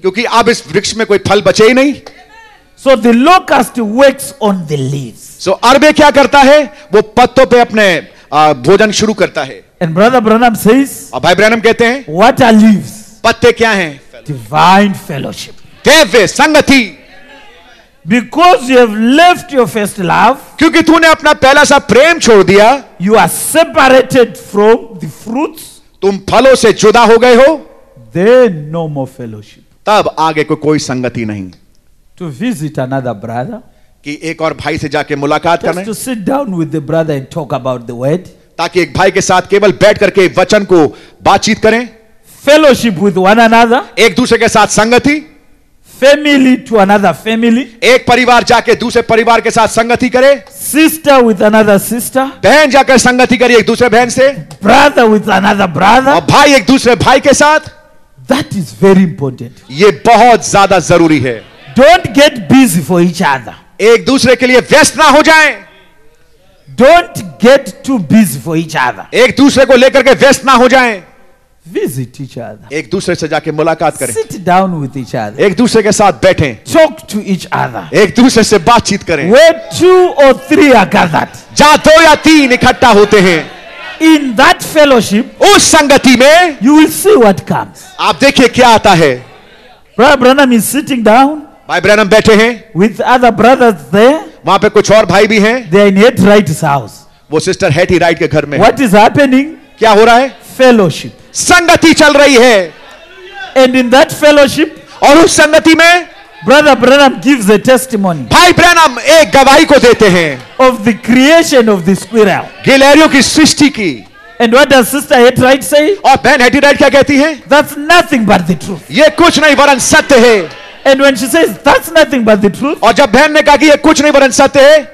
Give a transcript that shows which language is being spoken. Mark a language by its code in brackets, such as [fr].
[hi] क्योंकि अब इस वृक्ष में कोई फल बचे ही नहीं. [en] So the locust works on the leaves. [hi] So अरबे क्या करता है? वो पत्तों पे अपने भोजन शुरू करता है. [en] And brother Branham says, [hi] और भाई ब्रैनम कहते हैं, [en] what are leaves? [hi] पत्ते क्या हैं? [en] Divine fellowship. [hi] देव संगति. [en] Because you have left your first love, [hi] क्योंकि तूने अपना पहला सा प्रेम छोड़ दिया, [en] you are separated from the fruits. [hi] तुम फलों से जुदा हो गए हो. [en] Then no more fellowship. [hi] तब आगे कोई संगति नहीं. [en] To visit another brother, [hi] कि एक और भाई से जाके मुलाकात करना. [en] To sit down with the brother and talk about the word. [hi] ताकि एक भाई के साथ केवल बैठ करके वचन को बातचीत करें. [en] Fellowship with one another. [hi] एक दूसरे के साथ संगति. [en] Family to another family. [hi] एक परिवार जाके दूसरे परिवार के साथ संगति करे. [en] Sister with another sister. [hi] बहन जाकर संगति करे एक दूसरे बहन से. [en] Brother with another brother. [hi] और भाई एक दूसरे भाई के साथ. [en] That is very important. [hi] ये बहुत ज्यादा जरूरी है. [en] Don't get busy for each other. [hi] एक दूसरे के लिए व्यस्त ना हो जाएं. [en] Don't get too busy for each other. [hi] एक दूसरे को लेकर के व्यस्त ना हो जाएं. [en] Visit each other. [hi] एक दूसरे से जाके मुलाकात करें. [en] Sit down with each other. [hi] एक दूसरे के साथ बैठें. [en] Talk to each other. [hi] एक दूसरे से बातचीत करें. [en] Where two or three are gathered. [hi] जहां दो या तीन इकट्ठा होते हैं. [en] In that fellowship, [hi] उस संगति में, [en] you will see what comes. [hi] आप देखिए क्या आता है. [en] Brother Branham is sitting down. [hi] भाई ब्रैनम बैठे हैं. [en] With other brothers there. [hi] वहाँ पे कुछ और भाई भी हैं. [en] They are in Hetty Wright's house. [hi] वो सिस्टर हेटी राइट के घर में. [en] What is happening? [hi] क्या हो रहा है? [en] Fellowship. [hi] संगति चल रही है. [en] And in that fellowship, [hi] और उस संगति में, [en] Brother Branham gives a testimony. [hi] भाई ब्रैनम एक गवाही को देते हैं. [en] Of the creation of the squirrel. [hi] गिलहरियों की सृष्टि की. [en] And what does Sister Hetty Wright say? [hi] और बहन हेटी राइट क्या कहती हैं? [en] That's nothing but the truth. [hi] ये कुछ नहीं वरन सत्य है. [en] And when she says that's nothing but the truth. [hi] और जब बहन ने कहा कि ये कुछ नहीं वरन सत्य है.